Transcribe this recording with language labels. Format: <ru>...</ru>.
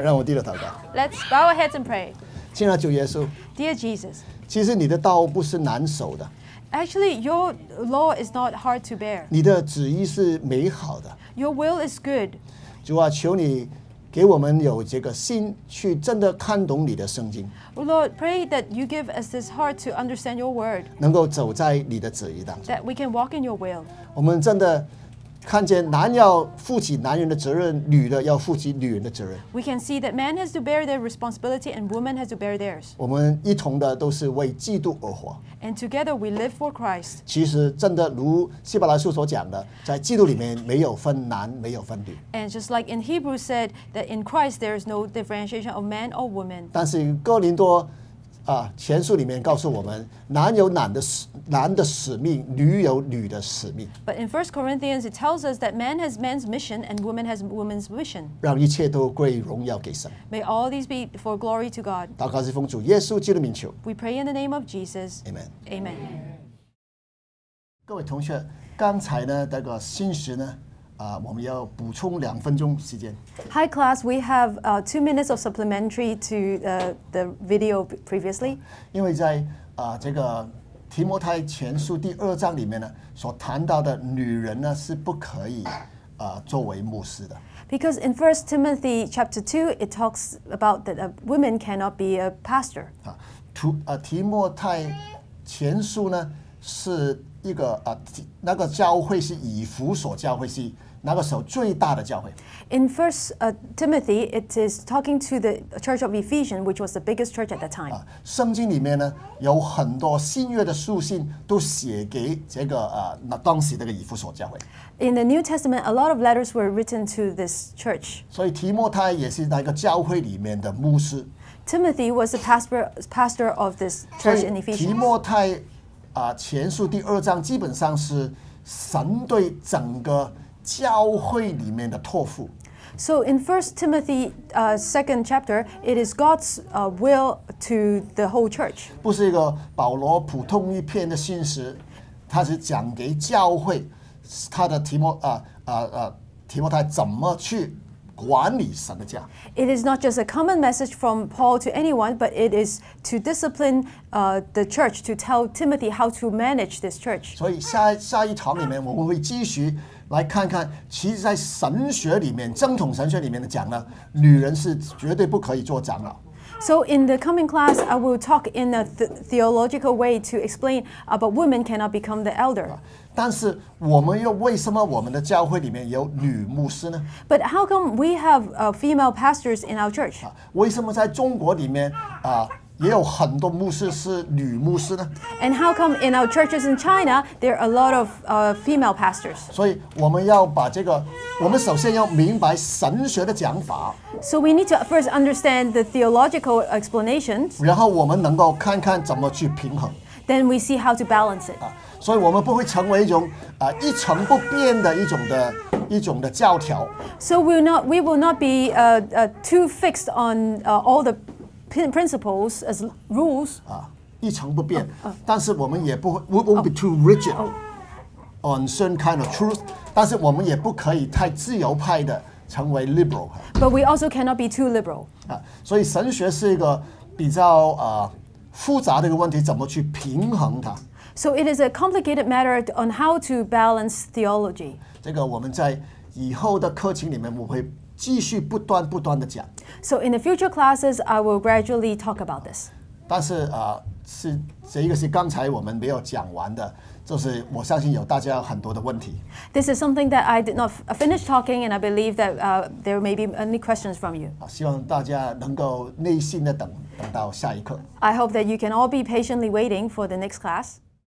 <zh>让我低头祷告。</zh> <en>Let's bow our heads and pray.</en> <zh>亲爱的主耶稣。</zh> <en>Dear Jesus.</en> <zh>其实你的道不是难守的。</zh> <en>Actually, your law is not hard to bear.</en> <zh>你的旨意是美好的。</zh> <en>Your will is good.</en> <zh>主啊，求你给我们有这个心去真的看懂你的圣经。</zh> <en>Lord, pray that you give us this heart to understand your word.</en> <zh>能够走在你的旨意当中。</zh> <en>That we can walk in your will.</en> <zh>我们真的看见男要负起男人的责任，女的要负起女人的责任。</zh> <en>We can see that man has to bear their responsibility and woman has to bear theirs.</en> <zh>我们一同的都是为基督而活。</zh> <en>And together we live for Christ.</en> <zh>其实真的如希伯来书所讲的，在基督里面没有分男，没有分女。</zh> <en>And just like in Hebrews said that in Christ there is no differentiation of man or woman.</en> <zh>但是哥林多啊，前书里面告诉我们，男有男的使命，女有女的使命。</zh> <en>But in 1 Corinthians, it tells us that man has man's mission and woman has woman's mission.</en> <zh>让一切都归荣耀给神。</zh> <en>May all these be for glory to God.</en> <zh>祷告是奉主耶稣基督的名求。</zh> <en>We pray in the name of Jesus. Amen. Amen.</en> <zh>各位同学，刚才呢，那个信息呢？我们要补充两分钟时间。</zh> <en>Hi class, we have two minutes of supplementary to the video previously.</en> <zh>因为在这个提摩太前书第二章里面呢，所谈到的女人呢是不可以作为牧师的。</zh> <en>Because in 1 Timothy chapter 2, it talks about that a woman cannot be a pastor.</en> <zh>提摩太前书呢是一个那个教会是以弗所教会是那个时候最大的教会。</zh> <en>In 1 Timothy, it is talking to the church of Ephesians, which was the biggest church at that time.</en> <zh>圣经里面呢有很多新约的书信都写给这个当时这个以弗所教会。</zh> <en>In the New Testament, a lot of letters were written to this church.</en> <zh>所以提摩太也是那个教会里面的牧师。</zh> <en>Timothy was the pastor of this church in Ephesians.</en> <zh>提摩太前书第二章基本上是神对整个教会里面的托付。</zh> <en>So in 1 Timothy, second chapter, it is God's will to the whole church.</en> <zh>不是一个保罗普通一篇的信实，他是讲给教会，他的提摩太怎么去管理神的家。</zh> <en>It is not just a common message from Paul to anyone, but it is to discipline the church to tell Timothy how to manage this church.</en> <zh>所以下一堂里面我们会继续来看看，其实在神学里面，正统神学里面的讲呢，女人是绝对不可以做长老。</zh> <en>So in the coming class, I will talk in a theological way to explain about women cannot become the elder.</en> <zh>但是我们又为什么我们的教会里面有女牧师呢？</zh> <en>But how come we have female pastors in our church?</en> <zh>为什么在中国里面也有很多牧师是女牧师呢？</zh> <en>And how come in our churches in China, there are a lot of female pastors?</en> <zh>所以我们要把这个，我们首先要明白神学的讲法。</zh> <en>So we need to first understand the theological explanations.</en> <zh>然后我们能够看看怎么去平衡。</zh> <en>Then we see how to balance it.</en> <zh>所以我们不会成为一种一成不变的一种的教条。</zh> <en>So we will not be too fixed on all the principles as rules.</en> <zh>一成不变。但是我们也不会</zh> <en>won't be too rigid on certain kind of truth.</en> <zh>但是我们也不可以太自由派的成为 liberal.</zh> <en>But we also cannot be too liberal.</en> <zh>所以神学是一个比较复杂的一个问题，怎么去平衡它。</zh> <en>So it is a complicated matter on how to balance theology.</en> <zh>这个我们在以后的课程里面我会继续不断不断的讲。</zh> <en>So in the future classes, I will gradually talk about this.</en> <zh>但是是这一个是刚才我们没有讲完的，就是我相信有大家很多的问题。</zh> <en>This is something that I did not finish talking, and I believe that there may be any questions from you.</en> <zh>希望大家能够耐心的等到下一课。</zh> <en>I hope that you can all be patiently waiting for the next class.</en>